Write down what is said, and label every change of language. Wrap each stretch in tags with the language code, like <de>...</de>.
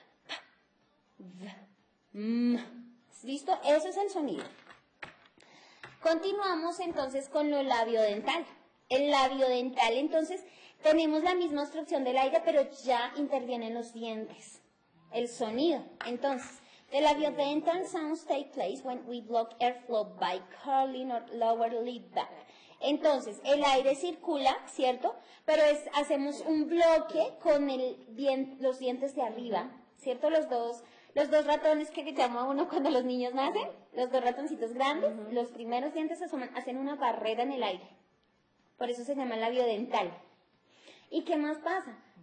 <es>P, V, M. ¿Listo? Ese es el sonido. Continuamos entonces con lo labiodental. El labiodental, entonces, tenemos la misma obstrucción del aire, pero ya intervienen los dientes. El sonido.</es> <en>Entonces, the labiodental sounds take place when we block airflow by curling our lower lip back.</en> <es>Entonces, el aire circula, ¿cierto? Pero hacemos un bloque con los dientes de arriba, ¿cierto? Los dos ratones que llama uno cuando los niños nacen, los dos ratoncitos grandes, uh-huh. Los primeros dientes hacen una barrera en el aire. Por eso se llama labio dental. ¿Y qué más pasa?</es>